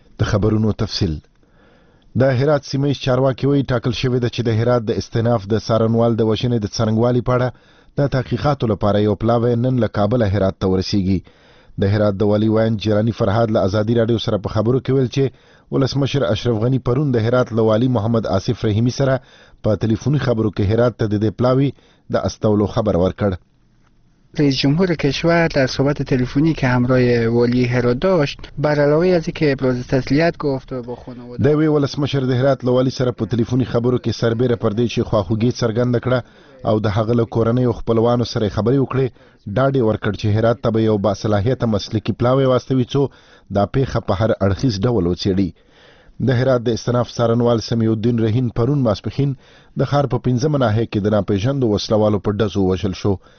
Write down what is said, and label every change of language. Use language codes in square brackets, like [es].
[ps] خبرونو تفصیل د هرات سیمه ایز چارواکي وایي ټاکل شوی ده چې د هرات د استیناف د څارنوال د وژنې د څرنګوالي په اړه د تحقیقاتو لپاره یو پلاوی نن له کابله هرات ته ورسیږي د هرات د والي وایان جیرانی فرهاد له ازادي راډیو سره په خبرو کې ویل چې ولسمشر اشرف غنی پرون د هرات له والي محمد آصف رحیمي سره په تلیفوني خبرو کې هرات ته د پلاوی د استولو خبر ورکړ [fa] رئیس جمهور کشور در صحبت تلفنی که همراه والی هرات داشت بر علاوه از اینکه ابراز تسلیت گفت و با خانواده [ps] دوی ولسمشر د هرات له والی سره په تلفنی خبرو کې سربیره پر دې چې خواخوږی څرګنده کړه او د هغه له کورنۍ او خپلوانو سره خبرې وکړې ډاډې ورکړ چې هرات ته به یو باصلاحیته مسلکي پلاوی واستوي څو دا پیښه په هر اړخیز ډول وڅېړي د هرات د استناف څارنوال سمیع الدین رحیم پرون ماسپښین د ښار په 15 ناحیه کې د ناپېژندو وسلوالو په ډزو وژل شو